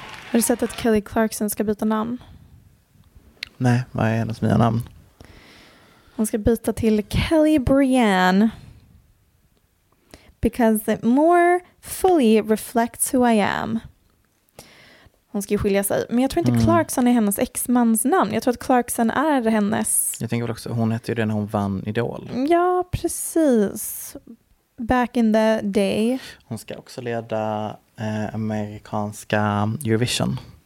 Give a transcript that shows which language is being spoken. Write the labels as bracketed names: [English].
[Swedish] Har du sett att Kelly Clarkson ska byta namn? Nej, vad är hennes nya namn? Hon ska byta till Kelly Brienne. [English] Because it more fully reflects who I am. [Swedish] Hon ska ju skilja sig. Men jag tror inte Clarkson är hennes exmans namn. Jag tror att Clarkson är hennes. Jag tänker väl också, hon hette ju det när hon vann Idol. Ja, precis. [English] Back in the day. [Swedish] Hon ska också leda amerikanska Eurovision.